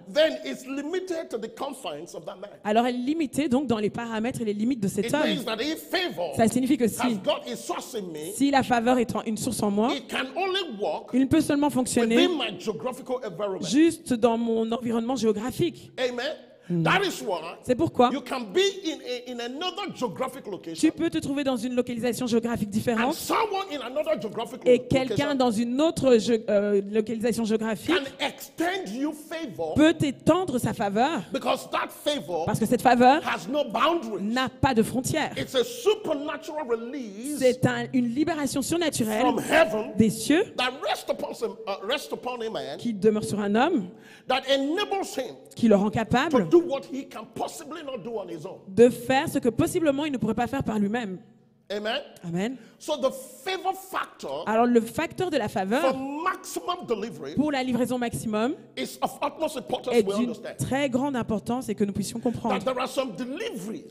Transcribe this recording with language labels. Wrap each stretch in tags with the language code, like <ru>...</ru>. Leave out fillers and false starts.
<en>then it's limited to the confines of that man.</en> <fr>Alors elle est limitée donc dans les paramètres et les limites de cet</fr> <en>it</en> <fr>homme.</fr> <en>Means that if favor</en> <fr>ça signifie que si,</fr> <en>has got a source in me,</en> <fr>si la faveur est une source en moi,</fr> <en>it can only work</en> <fr>il ne peut seulement fonctionner</fr> <en>within my geographical environment.</en> <fr>Juste dans mon environnement géographique.</fr> <en>Amen. That is why</en> <fr>c'est pourquoi</fr> <en>you can be in another geographic location</en> <fr>tu peux te trouver dans une localisation géographique différente</fr> <en>and someone in another geographic</en> <fr>et quelqu'un dans une autre localisation géographique</fr> <en>can extend you favor</en> <fr>peut étendre sa faveur</fr> <en>because that favor</en> <fr>parce que cette faveur</fr> <en>has no boundaries.</en> <fr>N'a pas de frontières.</fr> <en>It's a supernatural release</en> <fr>c'est une libération surnaturelle</fr> <en>from heaven</en> <fr>des cieux</fr> <en>that rests upon a man</en> <fr>qui demeure sur un homme</fr> <en>that enables him</en> <fr>qui le rend capable</fr> <en>to do what he can possibly not do on his own.</en> <fr>De faire ce que possiblement il ne pourrait pas faire par lui-même.</fr> <en>Amen. Amen. So the favor factor.</en> <fr>Alors le facteur de la faveur.</fr> <en>For maximum delivery.</en> <fr>Pour la livraison maximum.</fr> <en>Is of utmost importance.</en> <fr>Est d'une très grande importance et que nous puissions comprendre.</fr> <en>That there are some deliveries.</en>